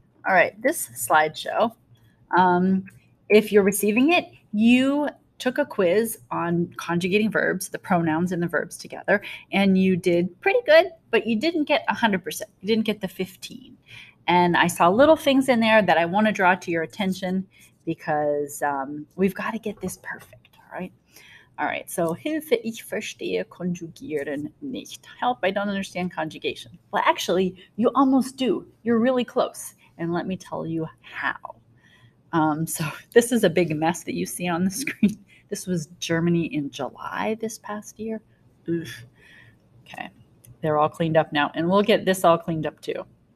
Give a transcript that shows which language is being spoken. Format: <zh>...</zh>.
<en>All right, this slideshow, if you're receiving it, you took a quiz on conjugating verbs, the pronouns and the verbs together, and you did pretty good, but you didn't get 100%. You didn't get the 15. And I saw little things in there that I want to draw to your attention because we've got to get this perfect, all right? All right, so</en> <de>Hilfe, ich verstehe konjugieren nicht.</de> <en>Help, I don't understand conjugation. Well, actually, you almost do. You're really close. And let me tell you how. So this is a big mess that you see on the screen. This was Germany in July this past year. Oof. Okay, they're all cleaned up now. And we'll get this all cleaned up too.</en>